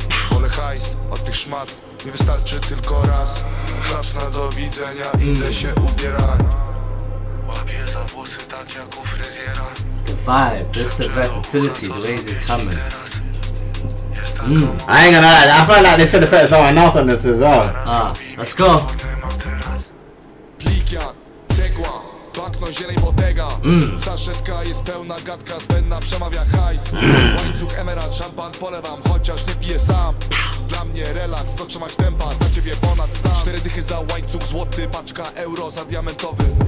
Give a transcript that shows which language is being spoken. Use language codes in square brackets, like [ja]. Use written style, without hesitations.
[pl] Wolę hajs od tych szmat, nie wystarczy tylko raz. Chlaps na do widzenia, idę się ubierać. Łapię za włosy tak jak u fryzjera. [en] The vibe, just the versatility, the way it's coming. I ain't gonna lie, I felt like they should have put someone else on this as well. Let's go. [pl] Plik jak cegła, bankno zielej bodega. Saszetka jest pełna, gadka zbędna, przemawia hajs. Łańcuch emerald, szampan polewam, chociaż nie piję sam. Dla mnie relaks, dotrzymać tempa, dla ciebie ponad stan. Cztery dychy za łańcuch, złoty, paczka euro za diamentowy.